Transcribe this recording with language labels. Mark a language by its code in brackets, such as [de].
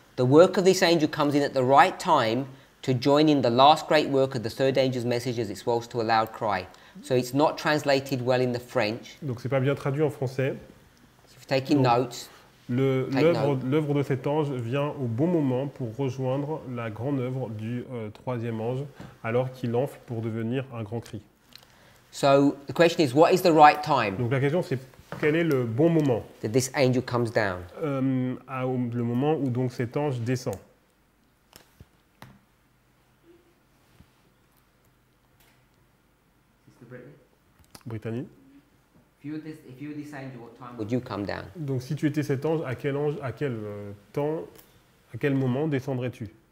[en] The work of this angel comes in at the right time to join in the last great work of the third angel's message as it swells to a loud cry. So it's not translated well in the French. [fr] Donc c'est pas bien traduit en français. [en] So if you're taking donc, notes. [fr] L'œuvre de cet ange vient au bon moment pour rejoindre la grande œuvre du troisième ange alors qu'il enfle pour devenir un grand cri. [en] So the question is, what is the right time? [fr] Donc la question c'est quel est le bon moment? [en] That this angel comes down. [fr] Le moment où donc cet ange descend. [en] Brittany? If you were this angel, what time would you come down? [fr] Donc si tu étais cet ange, à quel moment descendrais-tu?